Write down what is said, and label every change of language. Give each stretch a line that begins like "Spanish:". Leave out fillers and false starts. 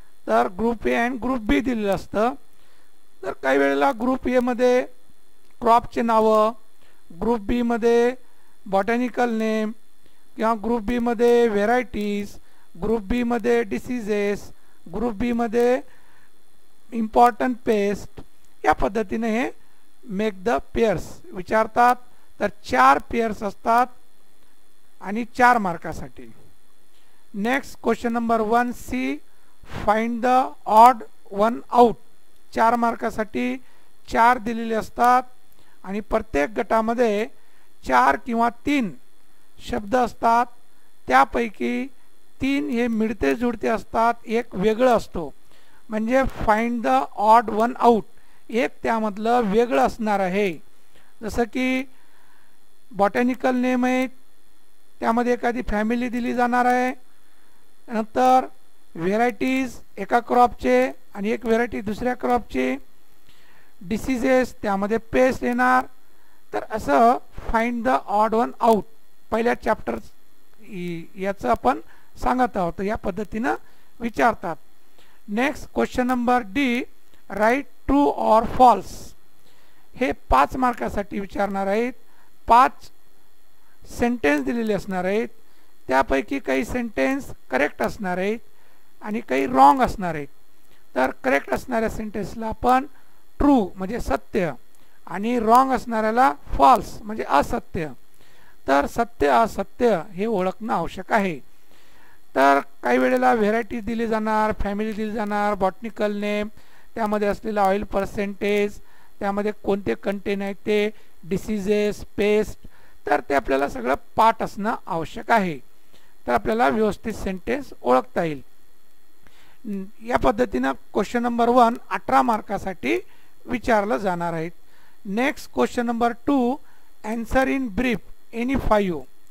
Marathi: तर group A and group बी दिलेलं असतं. तर काही वेळेला ग्रुप एमध्ये क्रॉपचे नावं, ग्रुप बीमध्ये बॉटनिकल नेम, किंवा ग्रुप बीमध्ये व्हेरायटीज, ग्रुप बीमध्ये डिसीजेस, ग्रुप बीमध्ये इम्पॉर्टंट पेस्ट, या पद्धतीने हे मेक द पेअर्स विचारतात. तर 4 पेअर्स असतात आणि 4 मार्कासाठी.
English: Next question number 1C, find the odd one out.
Marathi: 4 मार्कासाठी 4 दिलेले असतात, आणि प्रत्येक गटामध्ये 4 किंवा 3 शब्द असतात, त्यापैकी 3 हे मिळते जुळते असतात, 1 वेगळं असतो. म्हणजे
English: find the odd one out,
Marathi: 1 त्यामधलं वेगळं असणार आहे. जसं की बॉटनिकल नेम आहे, त्यामध्ये एखादी फॅमिली दिली जाणार आहे. नंतर व्हेरायटीज एका क्रॉपचे आणि 1 व्हेरायटी दुसऱ्या क्रॉपची. डिसीजेस, त्यामध्ये पेस्ट येणार. तर असं
English: find the odd one out
Marathi: पहिल्या चॅप्टर याचं आपण सांगत आहोत, या पद्धतीनं विचारतात.
English: Next question number D, write true or false.
Marathi: हे 5 मार्कासाठी विचारणार आहेत. 5 सेंटेन्स दिलेले असणार आहेत, त्यापैकी काही सेंटेन्स करेक्ट असणार आहेत आणि काही रॉंग असणार आहेत. तर करेक्ट असणाऱ्या सेंटेन्सला आपण ट्रू म्हणजे सत्य, आणि रॉंग असणाऱ्याला फॉल्स म्हणजे असत्य. तर सत्य असत्य हे ओळखणं आवश्यक आहे. तर काही वेळेला व्हेरायटी दिली जाणार, फॅमिली दिली जाणार, बॉटनिकल नेम, त्यामध्ये असलेला ऑइल पर्सेंटेज, त्यामध्ये कोणते कंटेन आहेत ते, डिसीजेस, पेस्ट, तर ते आपल्याला सगळं पाठ असणं आवश्यक आहे. तर आपल्याला व्यवस्थित सेंटेन्स ओळखता येईल. या पद्धतीनं क्वेश्चन नंबर 1 18 मार्कासाठी विचारलं जाणार आहे.
English: Next question number 2, answer in brief any 5.